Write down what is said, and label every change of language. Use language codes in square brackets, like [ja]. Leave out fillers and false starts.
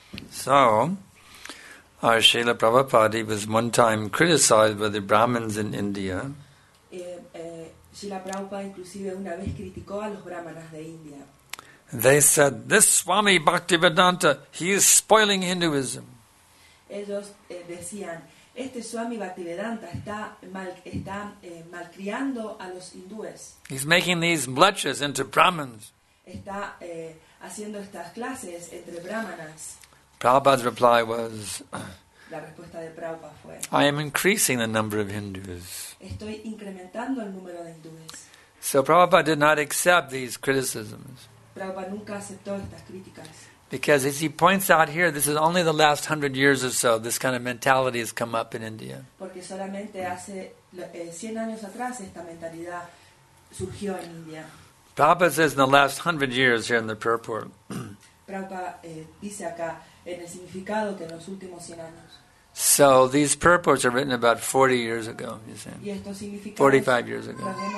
[en] So, our Srila Prabhupada was one time criticized by the Brahmins in India. [es] Srila Prabhupada inclusive una vez criticó a los brahmanas de India. [en] They said, this Swami Bhaktivedanta, he is spoiling Hinduism. [es] Ellos decían, este Swami Bhaktivedanta está malcriando a los hindúes. [en] He's making these lechers into brahmins. [es] Está haciendo estas clases entre brahmanas. [en] Prabhupada's reply was, [es] la respuesta de Prabhupada fue, [en] I am increasing the number of Hindus. [es] Estoy incrementando el número de hindúes. [en] So Prabhupada did not accept these criticisms. [es] Prabhupada nunca aceptó estas críticas. [en] Because as he points out here, this is only the last 100 years or so this kind of mentality has come up in India. [es] Porque solamente hace 100 años atrás esta mentalidad surgió en India. [en] Prabhupada says in the last 100 years here in the purport. [es] Prabhupada dice acá en el significado que en los últimos 100 años. [en] So these purports are written about 40 years ago, you see. 45 years ago.